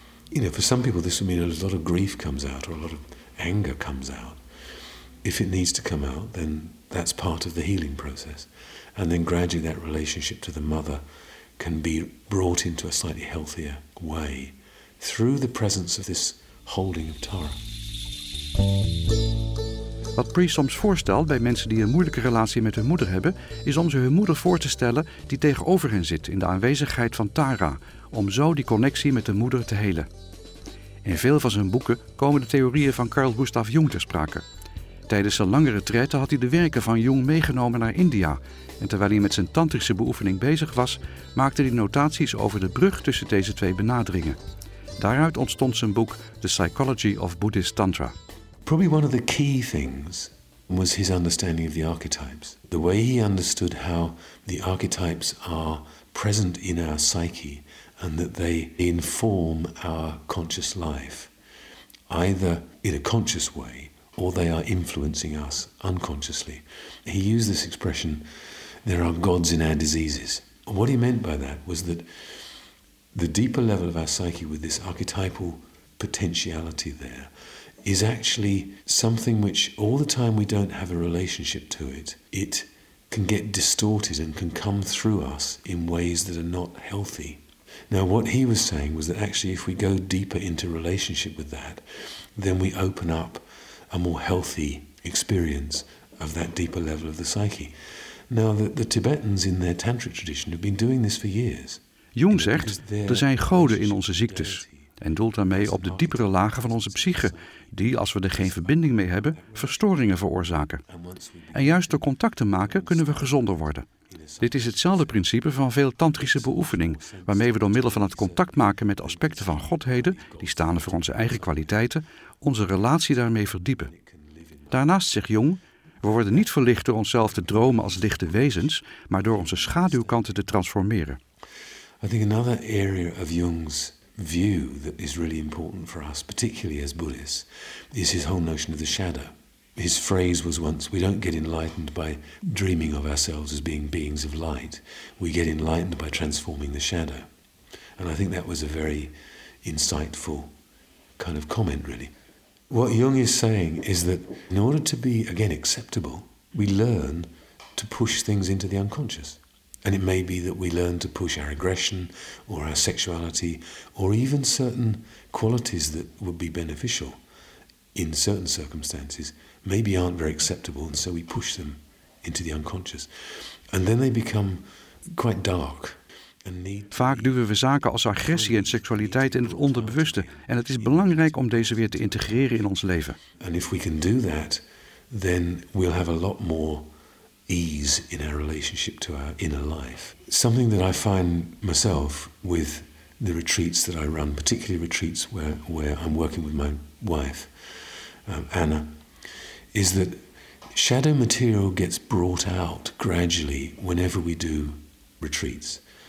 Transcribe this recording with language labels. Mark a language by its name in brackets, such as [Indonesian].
[English] You know, for some people this will mean a lot of grief comes out or a lot of anger comes out. If it needs to come out, then that's part of the healing process. And then gradually that relationship to the mother can be brought into a slightly healthier way through the presence of this holding of Tara. [Dutch] Wat Pri soms voorstelt bij mensen die een moeilijke relatie met hun moeder hebben, is om ze hun moeder voor te stellen die tegenover hen zit in de aanwezigheid van Tara, om zo die connectie met de moeder te helen. In veel van zijn boeken komen de theorieën van Carl Gustav Jung ter sprake. Tijdens zijn langere retraite had hij de werken van Jung meegenomen naar India en terwijl hij met zijn tantrische beoefening bezig was, maakte hij notaties over de brug tussen deze twee benaderingen. Daaruit ontstond zijn boek The Psychology of Buddhist Tantra. [English] Probably one of the key things was his understanding of the archetypes. The way he understood how the archetypes are present in our psyche and that they inform our conscious life, either in a conscious way or they are influencing us unconsciously. He used this expression, there are gods in our diseases. And what he meant by that was that the deeper level of our psyche with this archetypal potentiality there is actually something which all the time we don't have a relationship to it, it can get distorted and can come through us in ways that are not healthy. Now what he was saying was that actually if we go deeper into relationship with that, then we open up a more healthy experience of that deeper level of the psyche. Now the Tibetans in their tantric tradition have been doing this for years. [Dutch] Jung zegt, er zijn goden in onze ziektes. En doelt daarmee op de diepere lagen van onze psyche, die, als we er geen verbinding mee hebben, verstoringen veroorzaken. En juist door contact te maken, kunnen we gezonder worden. Dit is hetzelfde principe van veel tantrische beoefening, waarmee we door middel van het contact maken met aspecten van godheden, die staan voor onze eigen kwaliteiten, onze relatie daarmee verdiepen. Daarnaast zegt Jung, we worden niet verlicht door onszelf te dromen als lichte wezens, maar door onze schaduwkanten te transformeren. [English] I think another area of Jung's view that is really important for us, particularly as Buddhists, is his whole notion of the shadow. His phrase was once, we don't get enlightened by dreaming of ourselves as being beings of light. We get enlightened by transforming the shadow. And I think that was a very insightful kind of comment, really. What Jung is saying is that in order to be, again, acceptable, we learn to push things into the unconscious. And it may be that we learn to push our aggression or our sexuality or even certain qualities that would be beneficial in certain circumstances maybe aren't very acceptable and so we push them into the unconscious. And then they become quite dark. [Dutch] Vaak duwen we zaken als agressie en seksualiteit in het onderbewuste en het is belangrijk om deze weer te integreren in ons leven. [English] And if we can do that, then we'll have a lot more ease in our relationship to our inner life. Something that I find myself with the retreats that I run, particularly retreats where I'm working with my wife, Anna, is that shadow material gets brought out gradually whenever we do retreats.